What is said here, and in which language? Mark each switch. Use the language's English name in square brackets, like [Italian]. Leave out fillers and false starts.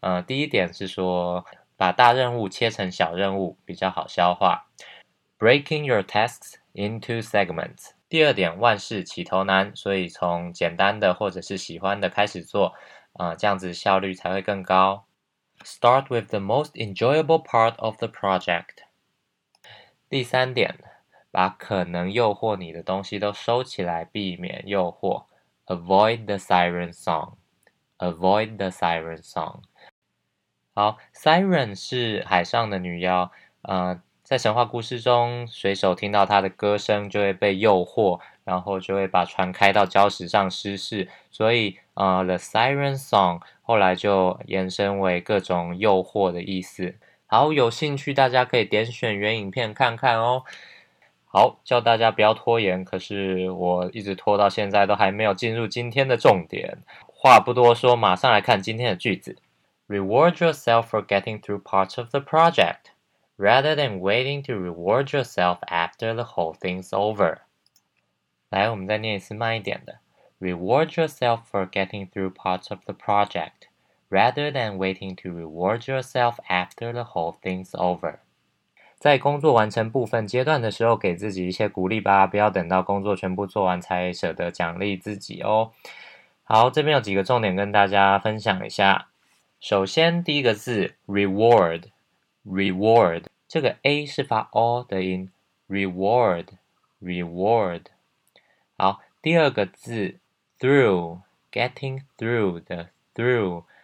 [Chinese] 第一点是说把大任务切成小任务比较好消化 ， [English] breaking your tasks into segments。 [Chinese] 第二点，万事起头难，所以从简单的或者是喜欢的开始做，这样子效率才会更高。 [English] Start with the most enjoyable part of the project. [Chinese] 第三点，把可能诱惑你的东西都收起来，避免诱惑。 [English] Avoid the siren song. Avoid the siren song. [Chinese] 好 ，siren 是海上的女妖。在神话故事中，水手听到她的歌声就会被诱惑，然后就会把船开到礁石上失事。所以， [English] the siren song [Chinese] 后来就延伸为各种诱惑的意思。好，有兴趣大家可以点选原影片看看哦。好，叫大家不要拖延，可是我一直拖到现在都还没有进入今天的重点。话不多说，马上来看今天的句子。 [English] Reward yourself for getting through parts of the project. Rather than waiting to reward yourself after the whole thing's over. [Chinese] 来，我们再念一次慢一点的。 [English] Reward yourself for getting through parts of the project, rather than waiting to reward yourself after the whole thing's over. [Chinese] 在工作完成部分阶段的时候，给自己一些鼓励吧，不要等到工作全部做完才舍得奖励自己哦。好，这边有几个重点跟大家分享一下。首先，第一个字 reward。 Reward 这个 A 是发 O 的音 Reward Reward 好第二个字 Through [English] Getting through [Chinese] 的 Through